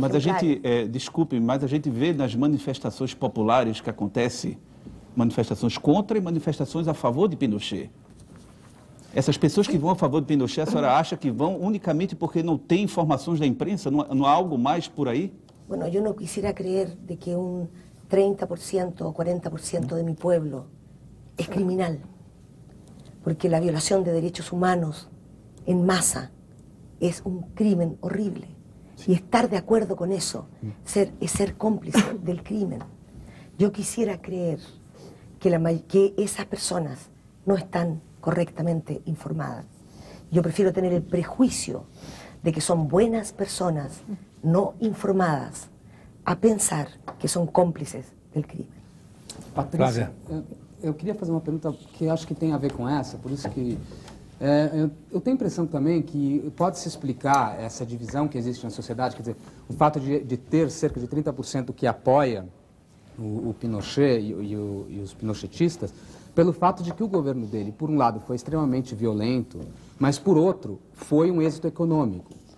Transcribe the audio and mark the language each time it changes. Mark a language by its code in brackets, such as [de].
[pt] Mas a gente, desculpe, mas a gente vê nas manifestações populares que acontecem, manifestações contra e manifestações a favor de Pinochet. Essas pessoas que vão a favor do Pinochet, a senhora acha que vão unicamente porque não tem informações da imprensa? Não há algo mais por aí? [es] Bueno, eu não quisiera creer de que um 30% ou 40% de mi pueblo é criminal. porque la violación de derechos humanos en masa es un crimen horrible. Sí. Y estar de acuerdo con eso es ser cómplice del crimen. Yo quisiera creer que, que esas personas no están correctamente informadas. Yo prefiero tener el prejuicio de que son buenas personas no informadas a pensar que son cómplices del crimen. [pt] Patricia, eu queria fazer uma pergunta que acho que tem a ver com essa, por isso que... Eu tenho a impressão também que pode-se explicar essa divisão que existe na sociedade, quer dizer, o fato de ter cerca de 30% que apoia o Pinochet e os pinochetistas, pelo fato de que o governo dele, por um lado, foi extremamente violento, mas, por outro, foi um êxito econômico.